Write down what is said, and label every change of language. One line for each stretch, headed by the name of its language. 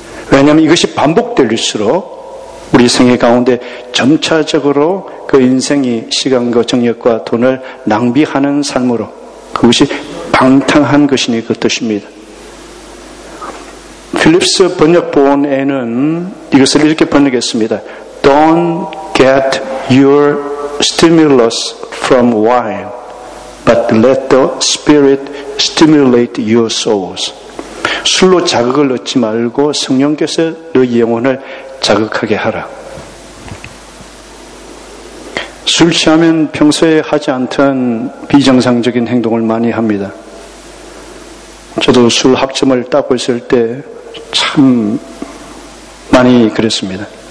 Korean: 왜냐하면 이것이 반복될수록 우리 생애 가운데 점차적으로 그 인생이 시간과 정력과 돈을 낭비하는 삶으로, 그것이 방탕한 것이니 그 뜻입니다. 필립스 번역본에는 이것을 이렇게 번역했습니다.
English: Don't get your stimulus from wine, but let the Spirit stimulate your souls.
Korean: 술로 자극을 얻지 말고 성령께서 너희 영혼을 자극하게 하라. 술 취하면 평소에 하지 않던 비정상적인 행동을 많이 합니다. 저도 술 학점을 따고 있을 때 참 많이 그랬습니다.